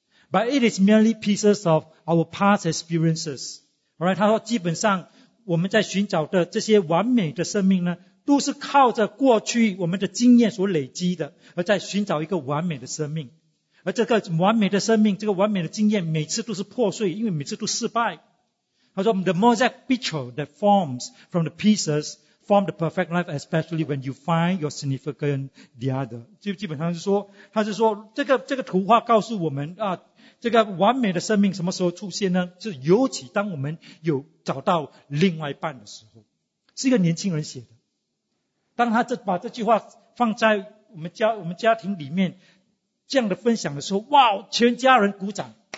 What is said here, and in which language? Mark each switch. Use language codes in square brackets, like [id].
[en] But it is merely pieces of our past experiences. [zh] Alright, 他说基本上我们在寻找的这些完美的生命呢，都是靠着过去我们的经验所累积的，而在寻找一个完美的生命。而这个完美的生命，这个完美的经验每次都是破碎，因为每次都失败。他说 [en] the mosaic picture that forms from the pieces form the perfect life, especially when you find your significant the other. [zh] 就基本上是说，他是说这个图画告诉我们啊，这个完美的生命什么时候出现呢？是尤其当我们有找到另外一半的时候。是一个年轻人写的。当他把这句话放在我们家庭里面这样的分享的时候，哇，全家人鼓掌。